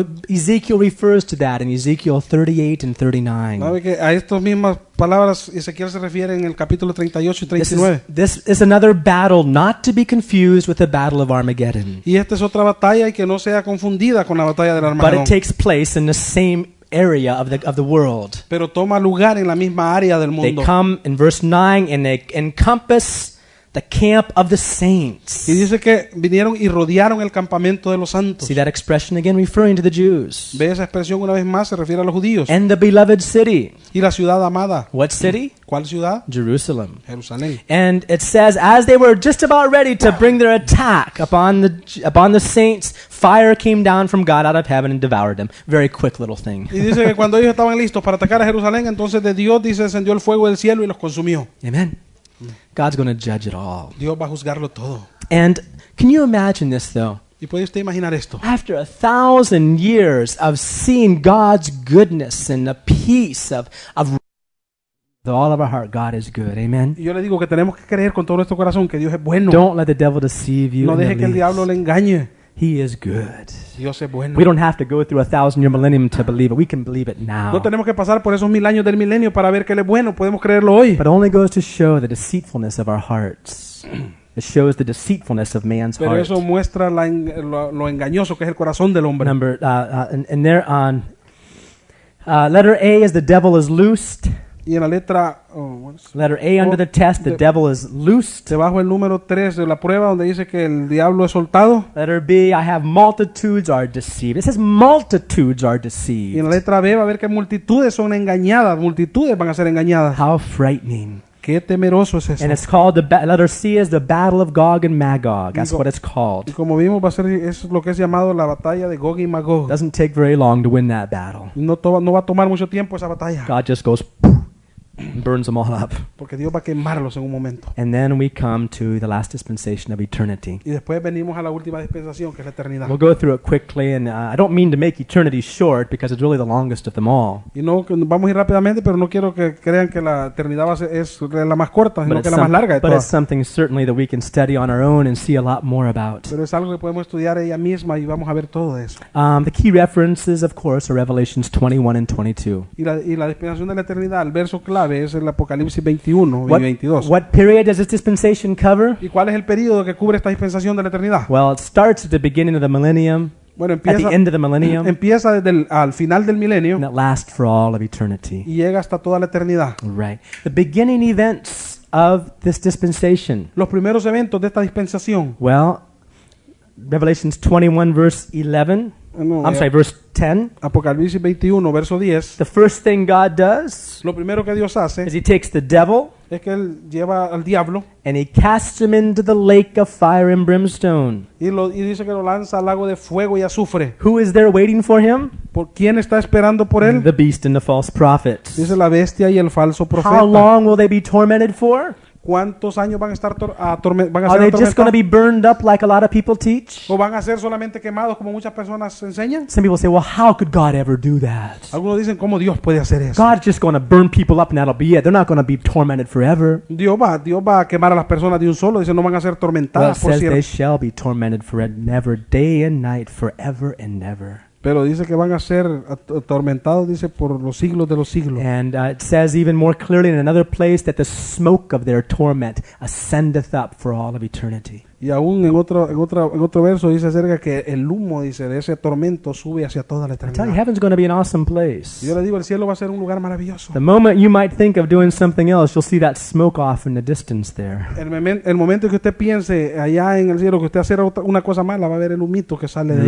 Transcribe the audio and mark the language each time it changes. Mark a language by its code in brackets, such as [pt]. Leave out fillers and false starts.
[en] Ezekiel refers to that in Ezekiel 38 and 39. [es] A estas mismas palabras Ezequiel se refiere en el capítulo 38 y 39. [en] This is another battle not to be confused with the battle of Armageddon. [es] Y esta es otra batalla y que no sea confundida con la batalla del Armagedón. [en] But it takes place in the same area of the world. [es] Pero toma lugar en la misma área del mundo. [en] They come in verse 9 and they encompass the camp of the saints. [es] Y dice que vinieron y rodearon el campamento de los santos. [en] See that expression again referring to the Jews. [es] Ve esa expresión una vez más, se refiere a los judíos. [en] And the beloved city. [es] Y la ciudad amada. [en] What city? [es] ¿Cuál ciudad? [en] Jerusalem. [es] Jerusalén. [en] And it says, as they were just about ready to bring their attack upon the saints, fire came down from God out of heaven and devoured them. Very quick little thing. [es] Y dice que cuando ellos estaban listos para atacar a Jerusalén, entonces de Dios dice, descendió el fuego del cielo y los consumió. [en] Amen. God's going to judge it all. [es] Dios va a juzgarlo todo. [en] And can you imagine this though? [es] ¿Y puede usted imaginar esto? [en] After 1,000 years of seeing God's goodness and the peace of with all of our heart, God is good. Amen. [es] Yo le digo que tenemos que creer con todo nuestro corazón que Dios es bueno. [en] Don't let the devil deceive you. [es] No deje que el diablo le engañe. [en] He is good. [es] Dios es bueno. [en] We don't have to go through 1,000-year millennium to believe it. We can believe it now. [es] No tenemos que pasar por esos 1,000 años del milenio para ver que él es bueno. Podemos creerlo hoy. [en] But only goes to show the deceitfulness of our hearts. It shows the deceitfulness of man's [es] pero [en] heart. [es] Pero eso muestra lo engañoso que es el corazón del hombre. [en] Number, and there on Letter A is the devil is loosed. [es] Y en la letra, [en] letter A under the test, the devil is loosed. [es] Debajo el número 3 de la prueba donde dice que el diablo es soltado. [en] Letter B, I have multitudes are deceived. It says multitudes are deceived. [es] Y en la letra B va a ver que multitudes son engañadas, multitudes van a ser engañadas. [en] How frightening. [es] Qué temeroso es eso. [en] And it's called, letter C is the battle of Gog and Magog. That's what it's called. [es] Y como vimos, va a ser, es lo que es llamado la batalla de Gog y Magog. [en] Doesn't take very long to win that battle. [es] No va a tomar mucho tiempo esa batalla. [en] God just goes and burns them all up. [es] Porque Dios va a quemarlos en un momento. [en] And then we come to the last dispensation of eternity. [es] Y después venimos a la última dispensación, que es la eternidad. [en] We'll go through it quickly, and I don't mean to make eternity short because it's really the longest of them all. [es] Y no, vamos a ir rápidamente, pero no quiero que crean que la eternidad es la más corta, sino que la más larga de todas. [en] But it's something certainly that we can study on our own and see a lot more about. [es] Pero es algo que podemos estudiar ella misma y vamos a ver todo eso. [en] The key references, of course, are Revelations 21 and 22. [es] Y la dispensación de la eternidad, el verso clave. Es el Apocalipsis 21 y 22. [en] What period does this dispensation cover? [es] ¿Y cuál es el periodo que cubre esta dispensación de la eternidad? [en] Well, it starts at the beginning of the millennium. [es] Bueno, empieza, [en] at the end of the millennium. [es] Empieza desde al final del milenio. [en] And it lasts for all of eternity. [es] Y llega hasta toda la eternidad. [en] Right. The beginning events of this dispensation. [es] Los primeros eventos de esta dispensación. [en] Well, Revelations 21 verse 11. Verse 10. [es] Apocalipsis 21, verso 10. [en] The first thing God does, [es] lo primero que Dios hace, [en] is he takes the devil, [es] es que él lleva al diablo, [en] and he casts him into the lake of fire and brimstone. [es] Y dice que lo lanza al lago de fuego y azufre. [en] Who is there waiting for him? [es] ¿Por quién está esperando por él? [en] The beast and the false prophets. [es] Dice la bestia y el falso profeta. [en] How long will they be tormented for? [es] ¿Cuántos años van a estar atormentados? [en] Are they just going to be burned up like a lot of people teach? [es] ¿O van a ser solamente quemados como muchas personas enseñan? [en] Some people say, well, how could God ever do that? [es] Algunos dicen, ¿cómo Dios puede hacer eso? [en] God's just going to burn people up and that'll be it. They're not going to be tormented forever. [es] Dios va a quemar a las personas de un solo. Dicen, no van a ser tormentadas, [en] well, [es] por cierto. [en] Well, says they shall be tormented forever, day and night, forever and ever. [es] Pero dice que van a ser atormentados, dice, por los siglos de los siglos. [en] And it says even more clearly in another place that the smoke of their torment ascendeth up for all of eternity. [es] Y aún en otro verso dice acerca que el humo, dice, de ese tormento sube hacia toda la eternidad. [en] I tell you, heaven's going to be an awesome place. [es] Yo le digo, el cielo va a ser un lugar maravilloso. [en] The moment you might think of doing something else, you'll see that smoke off in the distance there. [es] El momento que usted piense allá en el cielo que usted hacer una cosa mala, va a ver el humito que sale de ahí.